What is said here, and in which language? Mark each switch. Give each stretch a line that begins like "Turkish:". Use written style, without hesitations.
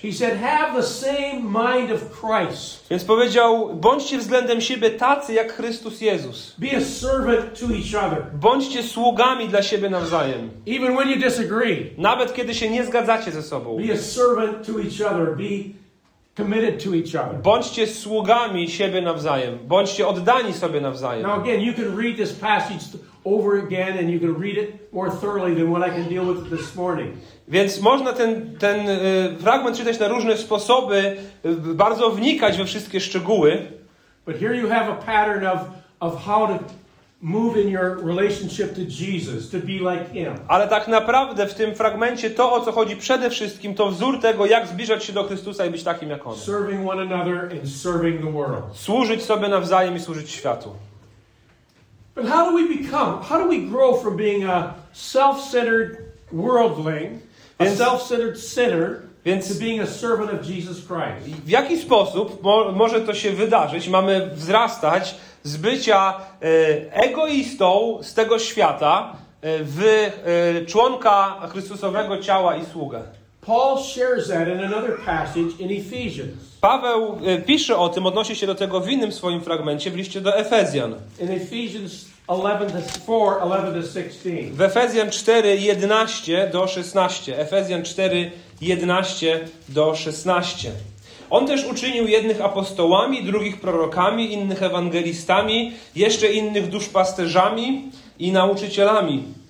English: He said, have the same mind of Christ.
Polish: Więc powiedział, bądźcie względem siebie tacy jak Chrystus Jezus.
English: Be a servant to each other.
Polish: Bądźcie sługami dla siebie nawzajem.
English: Even when you disagree.
Polish: Nawet kiedy się nie zgadzacie ze sobą.
English: Be a servant to each other. Be committed to each other.
Polish: Bądźcie sługami siebie nawzajem. Bądźcie oddani sobie nawzajem.
English: Now again, you can read this passage over again and you can read it more thoroughly than what I can deal with this morning.
Polish: Więc można ten fragment czytać na różne sposoby, bardzo wnikać we wszystkie szczegóły.
English: But here you have a pattern of how to move in your relationship to Jesus, to be like him.
Polish: Ale tak naprawdę w tym fragmencie to, o co chodzi przede wszystkim, to wzór tego, jak zbliżać się do Chrystusa i być takim jak on.
English: Serving one another and serving the world.
Polish: Służyć sobie nawzajem i służyć światu.
English: But how do we become? How do we grow from being a self-centered worldling, a self-centered sinner?
Polish: Więc
English: to being a servant of Jesus Christ.
Polish: W jaki sposób może to się wydarzyć? Mamy wzrastać z bycia egoistą z tego świata w członka Chrystusowego ciała i sługę.
English: Paul shares that in another passage in Ephesians.
Polish: Paweł pisze o tym, odnosi się do tego w innym swoim fragmencie w liście do Efezjan.
English: In Ephesians 11:4-16.
Polish: W Efezjan 4:11-16. Efezjan 4:11-16. On też uczynił jednych apostołami, drugich prorokami, innych ewangelistami, jeszcze innych duszpasterzami i nauczycielami.